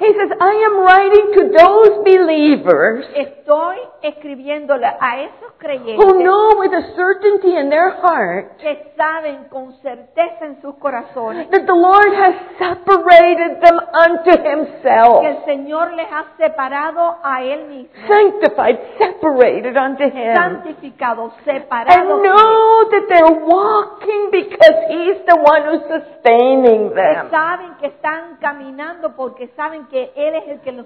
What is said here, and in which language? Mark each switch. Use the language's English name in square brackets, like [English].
[English] He says, I am writing to those believers, [Spanish] estoy escribiéndole a esos creyentes, [English] who know with a certainty in their heart, [Spanish] que saben con certeza en sus corazones, [English] that the Lord has separated them unto himself, [Spanish] que el Señor les ha separado a él mismo, [English] sanctified, separated unto him, [Spanish] santificado, separado, [English] and know that they're walking because he's the one who's sustaining them, [Spanish] que saben que están caminando porque saben que él es el que los